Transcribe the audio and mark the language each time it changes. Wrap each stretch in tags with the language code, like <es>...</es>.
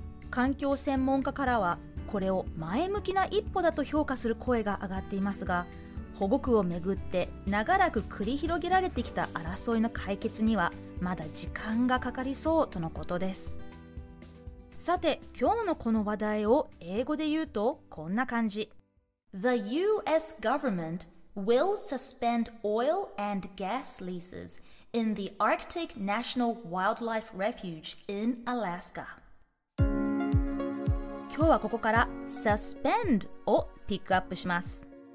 <ja>環境専門家からはこれを前向きな一歩だと評価する声が上がっていますが、保護区をめぐって長らく繰り広げられてきた争いの解決にはまだ時間がかかりそうとのことです。さて今日のこの話題を英語で言うとこんな感じ。</ja> <en>The US government will suspend oil and gas leases in the Arctic National Wildlife Refuge in Alaska。</en> <ja>今日はここから suspend をピックアップします。</ja>